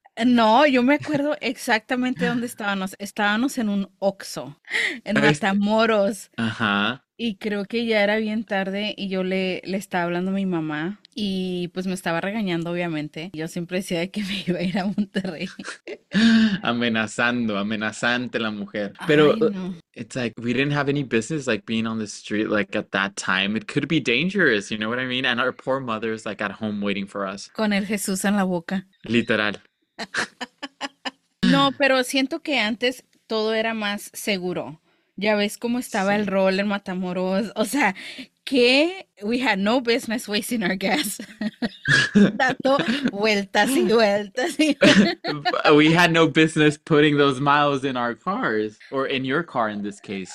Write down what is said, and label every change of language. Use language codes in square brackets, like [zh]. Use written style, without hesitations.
[es] No, yo me acuerdo exactamente dónde estábamos. Estábamos en un Oxxo, en Matamoros. Ajá. Y creo que ya era bien tarde y yo le estaba hablando a mi mamá y pues me estaba regañando, obviamente. Yo siempre decía que me iba a ir a Monterrey. Amenazando, amenazante la mujer. Pero Ay, no. [en] it's like we didn't have any business like being on the street like at that time. It could be dangerous, you know what I mean? And our poor mother is like at home waiting for us. [es] Con el Jesús en la boca. Literal. No, pero siento que antes todo era más seguro. Ya ves cómo estaba el Sí. rol en Matamoros. O sea, que [en] we had no business wasting our gas. [es] Dando vueltas y vueltas. Y [en] We had no business putting those miles in our cars, or in your car in this case.